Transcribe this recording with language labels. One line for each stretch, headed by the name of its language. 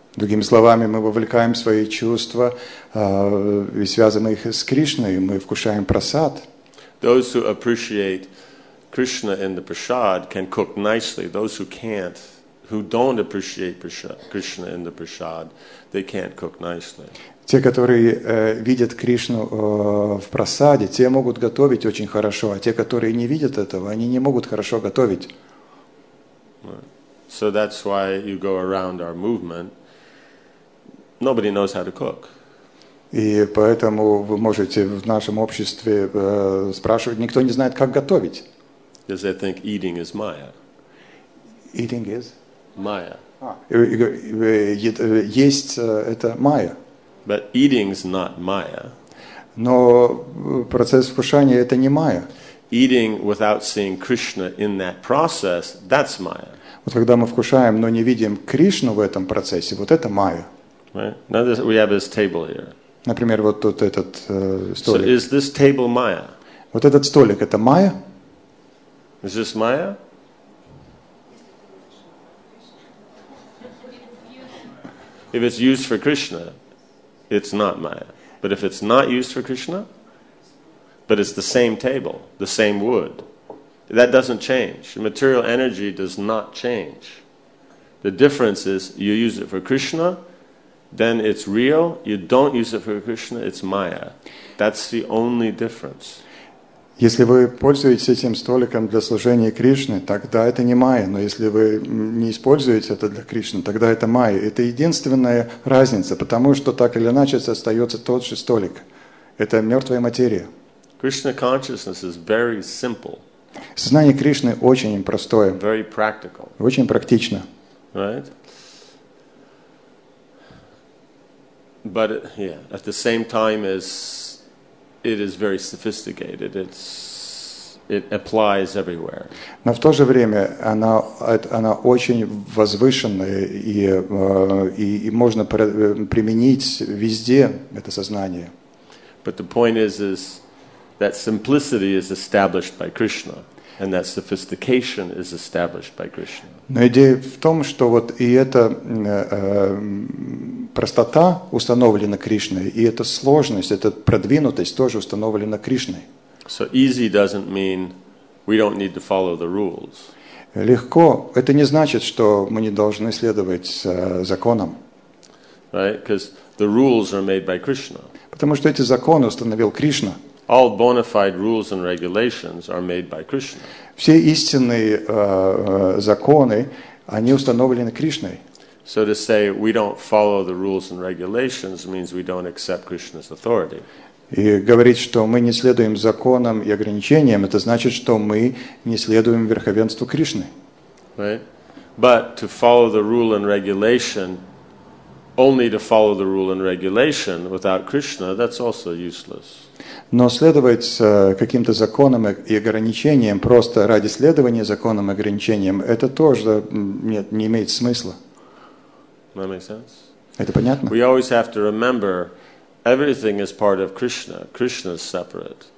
Russian: Другими словами, мы вовлекаем свои чувства и связываем их с Кришной, мы вкушаем прасад.
English: Those who appreciate Krishna in the prasad can cook nicely. Those who can't, who don't appreciate Krishna in the prasad, they can't cook nicely.
Russian: Те, которые видят Кришну в прасаде, те могут готовить очень хорошо, а те, которые не видят этого, они не могут хорошо готовить.
English: So that's why you go around our movement. Nobody knows how to cook.
Russian: И поэтому вы можете в нашем обществе спрашивать, никто не знает, как готовить.
English: Because they think eating is Maya. Eating is? Maya.
Russian: Есть – это Maya.
English: But eating is not Maya.
Russian: Но процесс вкушания – это не Maya.
English: Eating without seeing Krishna in that process – that's Maya.
Russian: Вот когда мы вкушаем, но не видим Кришну в этом процессе – вот это Maya.
English: Right. Now this, we have this table here.
Russian: Например, вот тут этот столик.
English: So is this table Maya?
Russian: Вот этот столик – это Maya?
English: Is this Maya? If it's used for Krishna, it's not Maya. But if it's not used for Krishna, but it's the same table, the same wood, that doesn't change. Material energy does not change. The difference is you use it for Krishna, then it's real. You don't use it for Krishna, it's Maya. That's the only difference.
Russian: Если вы пользуетесь этим столиком для служения Кришне, тогда это не майя. Но если вы не используете это для Кришны, тогда это майя. Это единственная разница, потому что так или иначе остается тот же столик. Это мертвая материя.
English: Krishna consciousness is very simple.
Russian: Сознание Кришны очень простое.
English: Very practical.
Russian: Очень практично.
English: Right? But yeah, at the same time as it is very sophisticated. It applies everywhere.
Russian: Но в то же время она очень возвышенная и можно применить везде это сознание.
English: But the point is that simplicity is established by Krishna, and that sophistication is established by Krishna.
Russian: Но идея в том, что вот и эта простота установлена Кришной, и эта сложность, эта продвинутость тоже установлена Кришной.
English: So easy doesn't mean we don't need to follow the rules.
Russian: Легко – это не значит, что мы не должны следовать законам.
English: Right? Because the rules are made by Krishna.
Russian: Потому что эти законы установил Кришна.
English: All bona fide rules and regulations are made by Krishna.
Russian: Все истинные законы, они установлены Кришной.
English: So to say we don't follow the rules and regulations means we don't accept Krishna's authority.
Russian: И говорить, что мы не следуем законам и ограничениям, это значит, что мы не следуем верховенству Кришны.
English: Right? But to follow the rule and regulation, only to follow the rule and regulation without Krishna, that's also useless.
Russian: Но следовать каким-то законам и ограничениям просто ради следования законам и ограничениям, это тоже не имеет смысла.
English: That makes sense?
Russian: Это понятно?
English: We always have to remember, everything is part of Krishna. Krishna is separate.